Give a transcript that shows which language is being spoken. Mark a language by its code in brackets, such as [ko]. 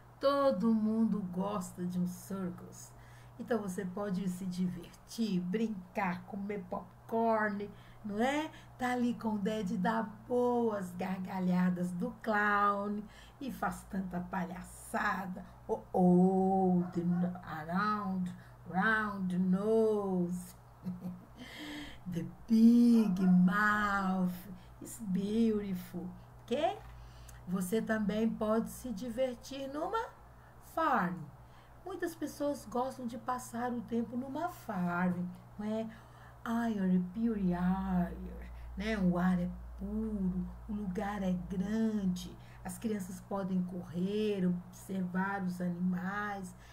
[pt] Todo mundo gosta de um Circus. Então você pode se divertir, brincar, comer popcorn, não é? Tá ali com o Daddy, dá boas gargalhadas do clown e faz tanta palhaçada. [en] Oh, the around, round nose. The big mouth is beautiful. Ok? [pt] Você também pode se divertir numa farm. Muitas pessoas gostam de passar o tempo numa farm, não é? [en] Air, pure air, [pt] né? O ar é puro, o lugar é grande, as crianças podem correr, observar os animais.